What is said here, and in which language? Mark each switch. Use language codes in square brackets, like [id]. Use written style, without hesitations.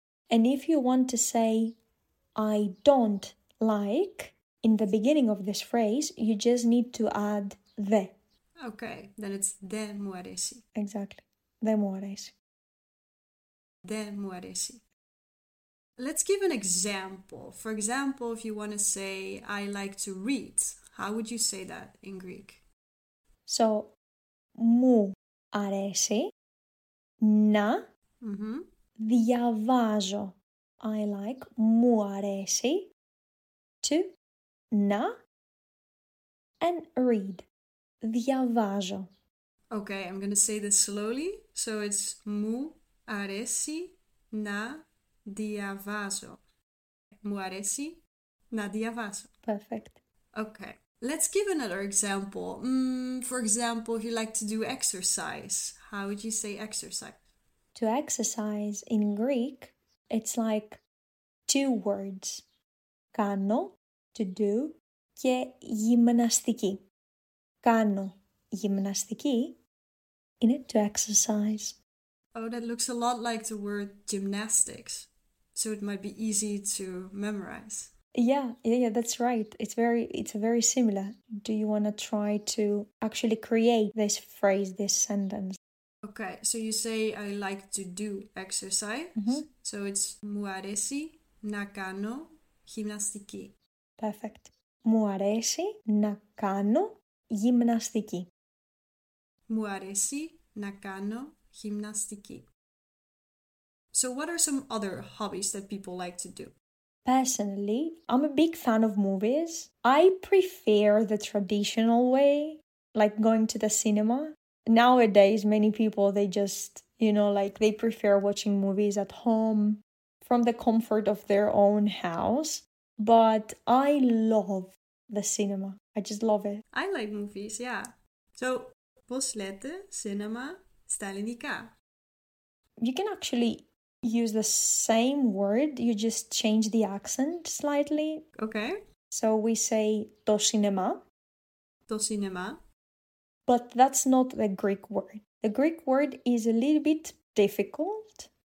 [en] And if you want to say I don't like in the beginning of this phrase, you just need to add the. Okay, then it's [el] de mou aresi. [en] Exactly. [el] De mou aresi. De mou aresi. [en] Let's give an example. For example, if you want to say I like to read, how would you say that in Greek? [el] So, μου αρέσει να διαβάζω. [en] I like, [el] μου αρέσει [en] to, [el] να, [en] and read. [el] Διαβάζω. [en] Okay, I'm going to say this slowly. So it's [el] μου αρέσει να διαβάζω. Μου αρέσει να διαβάζω. [en] Perfect. Okay. Let's give another example. For example, if you like to do exercise, how would you say exercise? To exercise in Greek, it's like two words. [el] Κάνω, [en] to do, [el] και γυμναστική. Κάνω γυμναστική είναι [en] to exercise. Oh, that looks a lot like the word gymnastics. So it might be easy to memorize. Yeah, that's right. It's very similar. Do you want to try to actually create this phrase, this sentence? Okay, so you say I like to do exercise. So it's [el] μου αρέσει να κάνω γυμναστική. [en] Perfect. [el] Μου αρέσει να κάνω γυμναστική. Μου αρέσει να κάνω γυμναστική. [en] So what are some other hobbies that people like to do? Personally, I'm a big fan of movies. I prefer the traditional way, like going to the cinema. Nowadays, many people, they just, you know, like they prefer watching movies at home from the comfort of their own house. But I love the cinema. I just love it. I like movies, yeah. So, [el] πώς λέτε cinema στα ελληνικά? [en] You can actually use the same word, you just change the accent slightly. Okay. So we say [el] το [en] cinema. [el] Το cinema. [en] But that's not the Greek word. The Greek word is a little bit difficult.